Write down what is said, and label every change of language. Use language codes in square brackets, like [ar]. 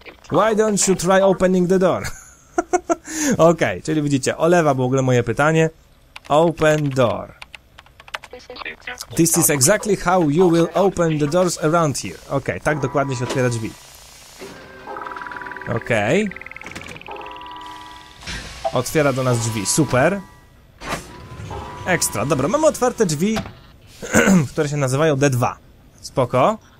[en] Why don't you try opening the door? [pl] Okej, czyli widzicie, olewa w ogóle moje pytanie. [en] Open door. This is exactly how you will open the doors around here. [pl] Okej, tak dokładnie się otwiera drzwi. Okej. Otwiera do nas drzwi, super. Ekstra, dobra, mamy otwarte drzwi, które się nazywają D2. Spoko.